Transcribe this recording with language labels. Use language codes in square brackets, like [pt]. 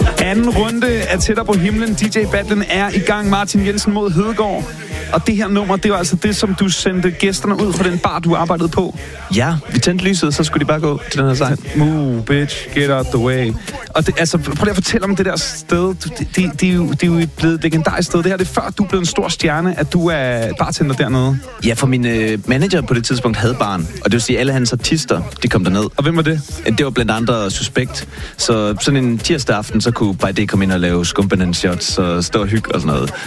[da] Anden runde af Tættere på Himlen, DJ-battlen, er i gang. Martin Jensen mod Hedegaard. Og det her nummer, det var altså det, som du sendte gæsterne ud fra den bar, du arbejdede på. Ja, vi tændte lyset, så skulle de bare gå til den her sang. [en] Move, bitch, get out the way. [da] Og det, altså, prøv lige at fortælle om det der sted. Det er jo blevet et legendarisk sted. Det her, det er før, du blev en stor stjerne, at du er bartender dernede. Ja, for min manager på det tidspunkt havde barn. Og det vil sige, alle hans artister, de kom derned. Og hvem var det? Det var blandt andre Suspekt. Så sådan en tirsdag aften, så kunne By D komme ind og lave skumbanans shots og stå og hygge og sådan noget.